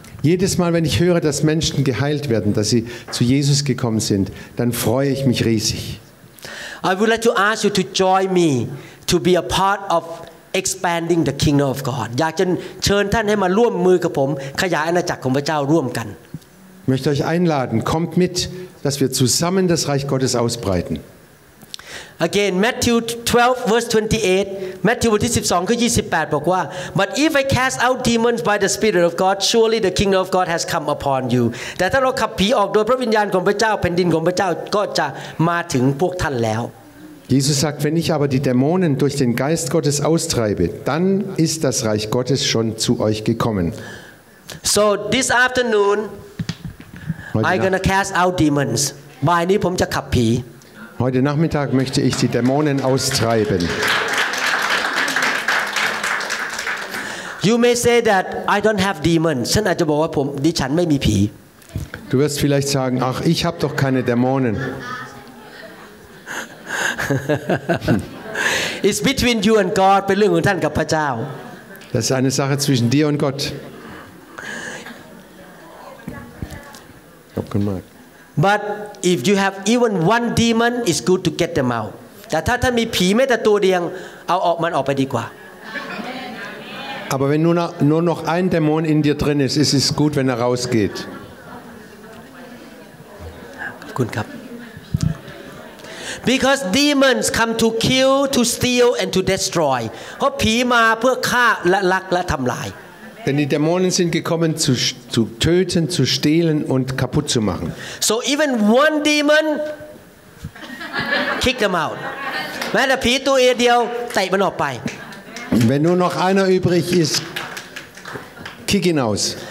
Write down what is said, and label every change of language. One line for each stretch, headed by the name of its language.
German: Jedes Mal, wenn ich höre, dass Menschen geheilt werden, dass sie zu Jesus gekommen sind, dann freue ich mich riesig.
English: I would like to ask you to join me to be a part of. Expanding the kingdom of God.
Thai: อยากจะเชิญท่านให้มาร่วมมือกับผมขยายอาณาจักรของพระเจ้าร่วมกัน
German: Möchte euch einladen, kommt mit, dass wir zusammen das Reich Gottes ausbreiten.
English: Again, Matthew 12 verse 28. Matthew
Thai: บทที่12ข้อ28บอกว่า
English: But if I cast out demons by the Spirit of God, surely the kingdom of God has come upon you.
Thai: แต่ถ้าเราขับผีออกโดยพระวิญญาณของพระเจ้าแผ่นดินของพระเจ้าก็จะมาถึงพวกท่านแล้ว
German: Jesus sagt, wenn ich aber die Dämonen durch den Geist Gottes austreibe, dann ist das Reich Gottes schon zu euch gekommen.
English: So this afternoon I'm going to cast out demons.
Thai: Bei nie ผมจะขับผี
German: Heute Nachmittag möchte ich die Dämonen austreiben.
English: You may say that I don't have demons.
Thai: ฉันอาจจะบอกว่าผมดิฉันไม่มีผี
German: Du wirst vielleicht sagen, ach, ich habe doch keine Dämonen.
English: It's between you and God.
Thai: เป็นเรื่องของท่านกับพระเจ้า
German: Das ist eine Sache zwischen dir und Gott.
English: But if you have even one demon, it's good to get them out.
Thai: แต่ถ้าท่านมีผีแม้แต่ตัวเดียวเอาออกมันออกไปดีกว่า
German: Aber wenn nur noch ein Dämon in dir drin ist, ist es gut, wenn er rausgeht.
Thai: คุณครับ
English: Because demons come to kill, to steal and to destroy.
Thai: เพราะผีมาเพื่อฆ่าและลักและทําลาย
German: Denn die Dämonen sind gekommen zu töten, zu stehlen und kaputt zu machen.
English: So even one demon kick them out.
Thai: แม้แต่ผีตัวเดียวเตะมันออกไป
German: Wenn nur noch einer übrig ist, kick ihn aus.